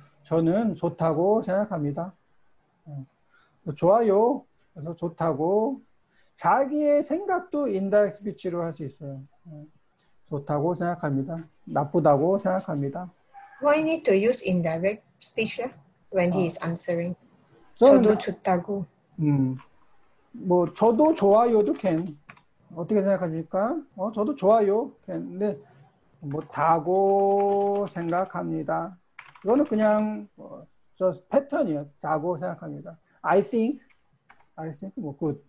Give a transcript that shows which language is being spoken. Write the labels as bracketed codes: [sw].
[ko] 저는 좋다고 생각합니다. 좋아요. 그래서 좋다고 자기의 생각도 인다이렉트 스피치로 할 수 있어요. 좋다고 생각합니다. 나쁘다고 생각합니다. [en] Why need to use indirect speech when he is answering? [ko] 저도 좋다고. 뭐 저도 좋아요도 can. 어떻게 생각하십니까? 저도 좋아요. can. 근데 못하고 생각합니다. 이거는 그냥 저 패턴이에요. 자고 생각합니다. [en] I think [ko] 뭐 good.